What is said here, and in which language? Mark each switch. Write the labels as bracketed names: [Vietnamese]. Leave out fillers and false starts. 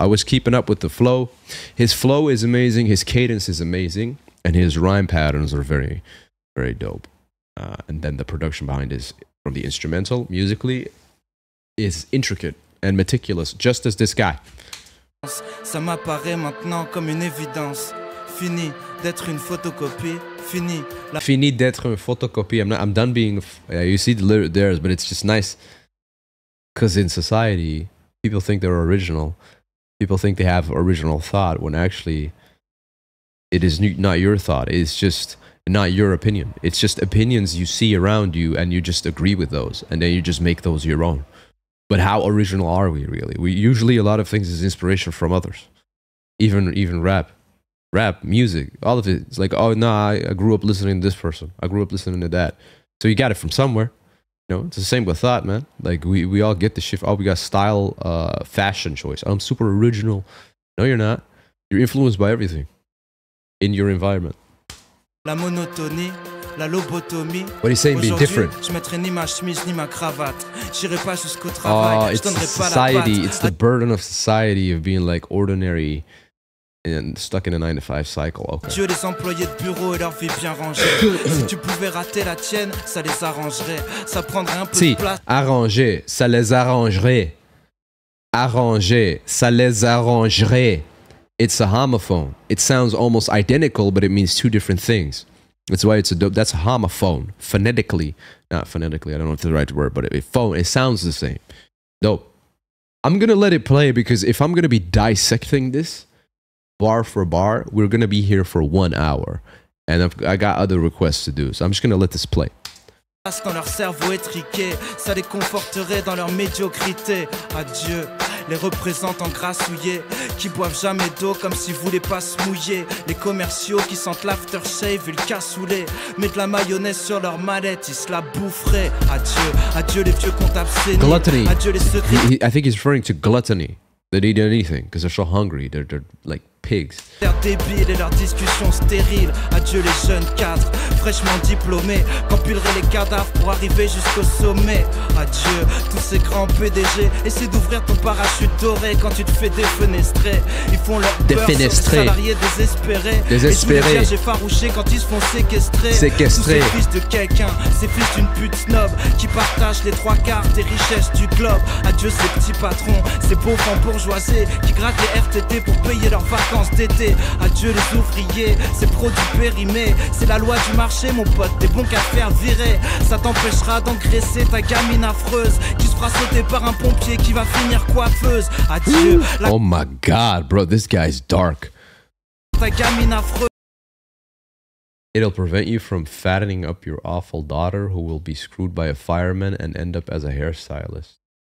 [English] I was keeping up with the flow. His flow is amazing. His cadence is amazing. And his rhyme patterns are very, very dope. And then the production behind is from the instrumental musically is intricate and meticulous, just as this guy. [French] Ça m'apparaît maintenant comme une évidence. Fini d'être une photocopie. Fini. Fini d'être une photocopie. [English] I'm done being. You see the lyrics there, but it's just nice because in society, people think they're original. People think they have original thought when actually it is not your thought. It's just. Not your opinion. It's just opinions you see around you and you just agree with those and then you just make those your own. But how original are we really? We usually a lot of things is inspiration from others. Even rap, music, all of it. It's like, oh no, I grew up listening to this person. I grew up listening to that. So you got it from somewhere. You know, it's the same with thought, man. Like we all get the shift. Oh, we got style, fashion choice. I'm super original. No, you're not. You're influenced by everything in your environment. [French] La monotonie, la lobotomie. [English] What are you saying? Be different. [French] Je mettrai ni ma chemise ni ma cravate. J'irai pas jusqu'au travail. [English] Oh, it's the society. It's the burden of society of being like ordinary and stuck in a 9-to-5 cycle. Okay. [French] Dieu les employés de bureau et leur vie bien rangée. Si tu pouvais rater la tienne, ça les arrangerait. Ça prendrait un peu si, de place. Arranger, ça les arrangerait. Arranger, ça les arrangerait. [English] It's a homophone. It sounds almost identical, but it means two different things. That's why it's a dope. That's a homophone. Phonetically. Not phonetically. I don't know if it's the right word, but it sounds the same. Dope. I'm going to let it play because if I'm going to be dissecting this bar for bar, we're going to be here for 1 hour. And I got other requests to do. So I'm just going to let this play. [French] Parce qu'en leur cerveau étriqué, ça les conforterait dans leur médiocrité. Adieu. Les représentants grassouillés qui boivent jamais d'eau comme s'ils voulaient pas se mouiller. Les commerciaux qui sentent l'aftershave et le cassoulet. Mettent de la mayonnaise sur leur mallette, ils se la boufferaient. Adieu, adieu les vieux comptables sénés. Gluttony. Adieu les secrets. [English] I think he's referring to gluttony. They need anything because they're so hungry. They're like pigs. [French] Leurs débiles et leurs discussions stériles. Adieu les jeunes cadres, fraîchement diplômés, qu'empileraient les cadavres pour arriver jusqu'au sommet. Adieu tous ces grands PDG. Essaie d'ouvrir ton parachute doré quand tu te fais défenestrer. Ils font leur peur défenestrer. Sur les salariés désespérés. Désespérés. Et tous les vierges effarouchés quand ils se font séquestrer. Séquestrer. Tous ces fils de quelqu'un, ces fils d'une pute snob qui partagent les trois quarts des richesses du globe. Adieu ces petits patrons, ces pauvres bourgeoisés qui grattent les RTT pour payer leurs vacances d'été. Adieu les ouvriers, ces produits périmés. C'est la loi du marché, mon pote, t'es bon qu'à te faire virer. Ça t'empêchera d'engraisser ta gamine affreuse qui se fera sauter par un pompier qui va finir coiffeuse. Adieu. La... [English] Oh my god, bro, this guy is dark. [French] Ta gamine affreuse. [English] It'll prevent you from fattening up your awful daughter who will be screwed by a fireman and end up as a hairstylist.